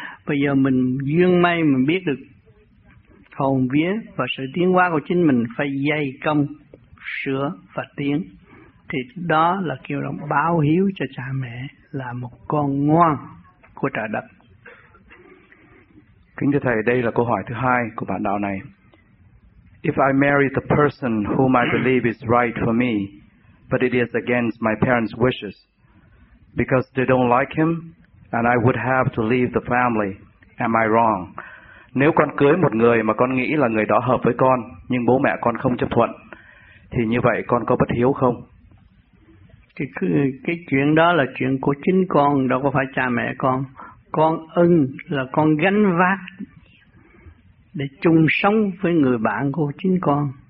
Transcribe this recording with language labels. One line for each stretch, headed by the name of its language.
Vietnamese: Bây giờ mình duyên may mình biết được hồn vía và sự tiến hóa của chính mình, phải dày công sửa và tiến, thì đó là kêu là báo hiếu cho cha mẹ, là một con ngoan của trời đất. Kính thưa Thầy, đây là câu hỏi thứ hai của bạn đạo này.
English: If I marry the person whom I believe is right for me, but it is against my parents' wishes, because they don't like him, and I would have to leave the family, am I wrong?
Vietnamese: Nếu con cưới một người mà con nghĩ là người đó hợp với con, nhưng bố mẹ con không chấp thuận, thì như vậy con có bất hiếu không? Cái chuyện đó là chuyện của chính con, đâu có phải cha mẹ con. Con ưng là con gánh vác để chung sống với người bạn của chính con.